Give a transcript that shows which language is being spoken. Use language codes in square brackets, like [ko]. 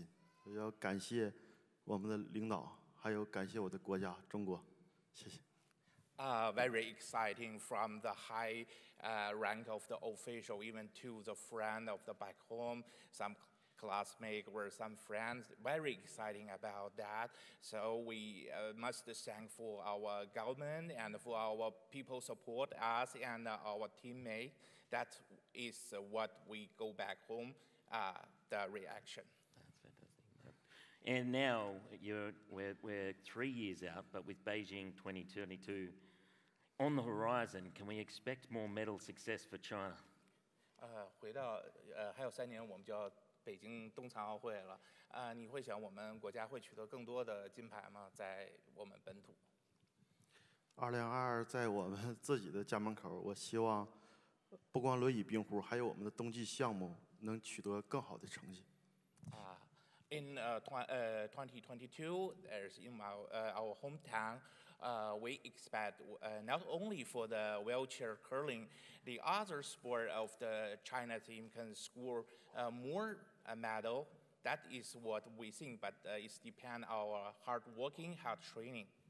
[zh] 得到金牌之后，回到家乡，这是第一次中国拿到冬残奥会的金牌。回国之后有什么反应？回去之后，我们的领导都非常的高兴，乡亲父老也非常的开心。我要感谢我们的领导。还有感谢我的国家中国，谢谢。 [en] Very exciting from the high rank of the official, even to the friend of the back home, some classmate or some friends. Very exciting about that. So we must thank for our government and for our people support us and our teammate. That is what we go back home. The reaction. And now we're 3 years out, but with Beijing 2022 on the horizon, can we expect more medal success for China? [zh] 回到还有三年，我们就要北京冬残奥会了。你会想我们国家会取得更多的金牌吗？在我们本土。 2022在我们自己的家门口，我希望不光轮椅冰壶，还有我们的冬季项目能取得更好的成绩。 [en] In 2022, there's in our hometown, we expect not only for the wheelchair curling, the other sport of the China team can score more medal. That is what we think, but it depends on our hard working, hard training.